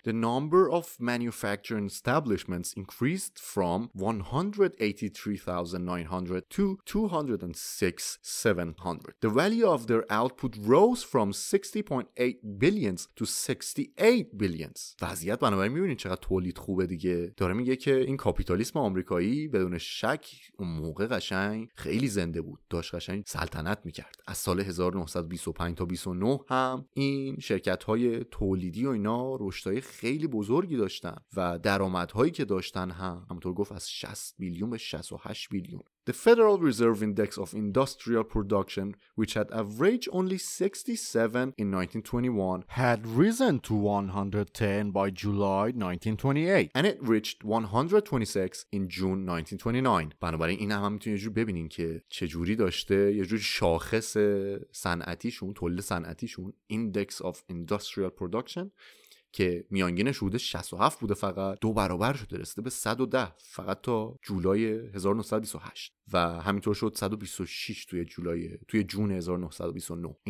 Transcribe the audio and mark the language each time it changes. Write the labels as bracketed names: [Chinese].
[English] The number of manufacturing establishments increased from 183,900 to 206,700. The value of their output rose from 60.8 billion to 68 billion. [Persian] وضعیت بنابراین می‌بینید چقدر تولید خوبه دیگه. داره میگه که این کاپیتالیسم آمریکایی بدون شک اون موقع قشنگ خیلی زنده بود، داشت قشنگ سلطنت میکرد. از سال 1925 تا 29 هم این شرکت‌های تولیدی و اینا رشدای خیلی بزرگی داشتن و درآمدهایی که داشتن هم همونطور گفت از 60 میلیون به 68 میلیون. [English] The Federal Reserve Index of Industrial Production, which had averaged only 67 in 1921, had risen to 110 by July 1928, and it reached 126 in June 1929. [Persian] بنابراین این هم میتونید یه جور ببینین که چه جوری داشته یه جور شاخص صنعتیشون، تولید صنعتیشون، Index of Industrial Production، که میانگینش بوده 67 بوده، فقط دو برابر شده، رسیده به 110 فقط تا جولای 1928 و همینطور شد 126 توی جون 1929.